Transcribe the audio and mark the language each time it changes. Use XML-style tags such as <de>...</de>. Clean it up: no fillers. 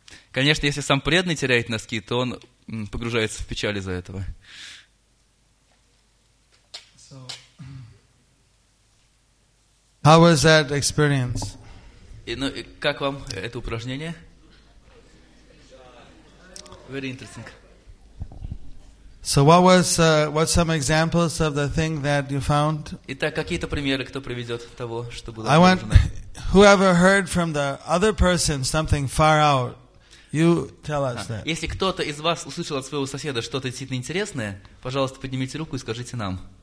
<ru>Конечно, если сам преданный теряет носки, то он погружается в печаль из-за этого.</ru> <en>How was that experience?</en> <ru>Ну, как вам это упражнение?</ru> <en>Very interesting. So what was what some examples of the thing that you found?</en> <ru>Итак, какие-то примеры, кто приведет того, что было.</ru> <en>I want whoever heard from the other person something far out. You tell us that.</en> <ru>Если кто-то из вас услышал от своего соседа что-то действительно интересное, пожалуйста, поднимите руку и скажите нам.</ru>